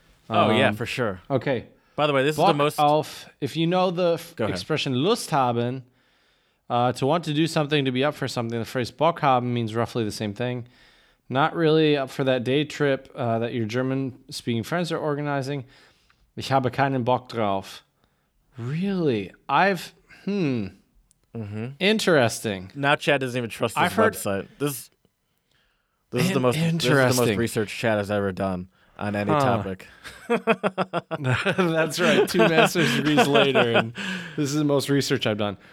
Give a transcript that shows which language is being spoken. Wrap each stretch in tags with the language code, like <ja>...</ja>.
<en>Oh, yeah, for sure. Okay. By the way, this</en> <de>Bock</de> <en>is the most... auf, if you know the expression Lust haben, to want to do something, to be up for something, the phrase Bock haben means roughly the same thing. Not really up for that day trip that your German-speaking friends are organizing.</en> <de>Ich habe keinen Bock drauf.</de> <en>Really? Mm-hmm. Interesting. Now Chad doesn't even trust this website. This is the most research Chad has ever done on any topic. That's right. Two master's degrees later, and this is the most research I've done.</en>